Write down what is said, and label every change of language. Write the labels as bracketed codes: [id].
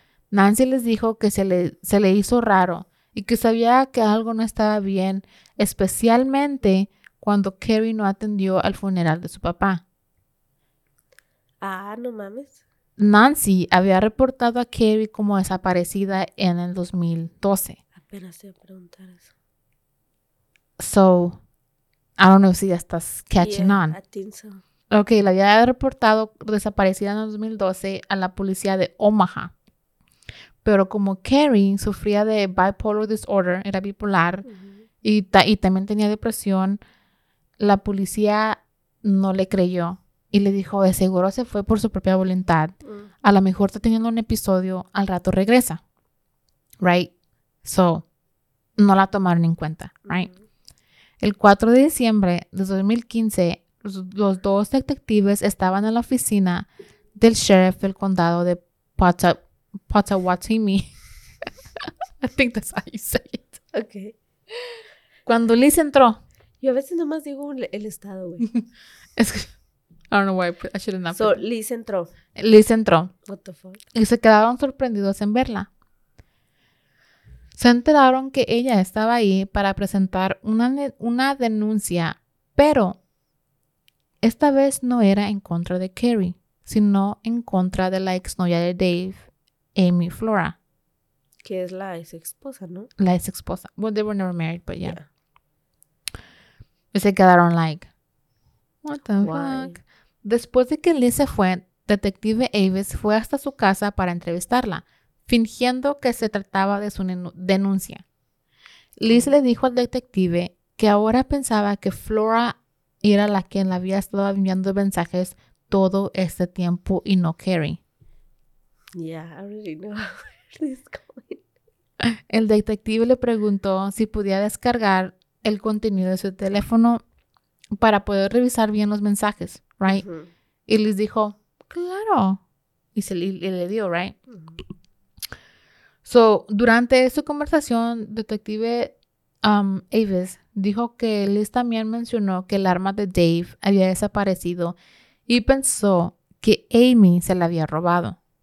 [es] Nancy les dijo que se le hizo raro y que sabía que algo no estaba bien, especialmente cuando Carrie no atendió al funeral de su papá. Ah, no mames. Nancy había reportado a Carrie como desaparecida en el 2012. Apenas te voy a preguntar eso. [en] So, I don't know [es] si ya estás [en] catching on. I think so. [es] Okay, la había reportado desaparecida en el 2012 a la policía de Omaha. Pero como Carrie sufría de bipolar disorder, era bipolar, y también tenía depresión, la policía no le creyó y le dijo, de seguro se fue por su propia voluntad. A lo mejor está teniendo un episodio, al rato regresa. Right? So, no la tomaron en cuenta. Right? Mm-hmm. El 4 de diciembre de 2015, los dos detectives estaban en la oficina del sheriff del condado de Pottawatomie. [en] I think that's how you say it. Okay. [es] Cuando Liz entró. Yo a veces nomás digo el estado, güey. [en] Es que, I don't know why, I shouldn't have. [es] So, Liz entró. Liz entró. [en] What the fuck? [es] Y se quedaron sorprendidos en verla. Se enteraron que ella estaba ahí para presentar una denuncia, pero esta vez no era en contra de Carrie, sino en contra de la exnovia de Dave, Amy Flora. Que es la exesposa, ¿no? La exesposa. [en] Well, they were never married, but yeah. Yeah. [es] Se quedaron [en] like, what the fuck? [es] Después de que Liz se fue, detective Avis fue hasta su casa para entrevistarla, fingiendo que se trataba de su denuncia. Liz le dijo al detective que ahora pensaba que Flora era la quien le había estado enviando mensajes todo este tiempo y no Carrie. [en] Yeah, I already know where this is going. [es] El detective le preguntó si podía descargar el contenido de su teléfono para poder revisar bien los mensajes, right? Uh-huh. Y Liz dijo, claro. Y le dio, right? Uh-huh. So, durante su conversación, detective Avis dijo que Liz también mencionó que el arma de Dave había desaparecido y pensó que Amy se la había robado.